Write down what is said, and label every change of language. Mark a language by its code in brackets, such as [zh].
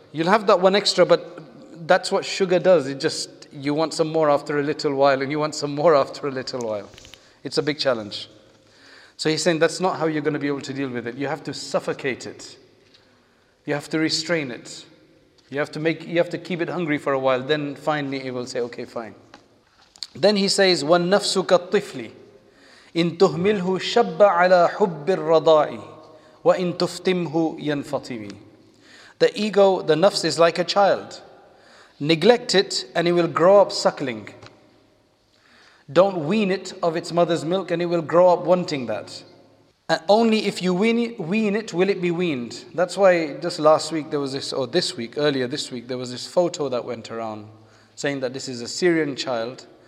[en] You'll have that one extra, but that's what sugar does. It just, you want some more after a little while, and you want some more after a little while. It's a big challenge. So he's saying that's not how you're going to be able to deal with it. You have to suffocate it. You have to restrain it. You have to keep it hungry for a while. Then finally it will say, okay, fine. Then he says, [ar] وَالنَّفْسُ كَالطِّفْلِ إِن تُهْمِلْهُ شَبَّ عَلَىٰ حُبِّ الرَّضَاءِ وَإِن تُفْتِمْهُ يَنْفَطِمِ. [en] The ego, the nafs, is like a child. Neglect it and it will grow up suckling. Don't wean it of its mother's milk and it will grow up wanting that. And only if you wean it will it be weaned. That's why just last week there was this, or this week, earlier this week, there was this photo that went around saying that this is a Syrian child.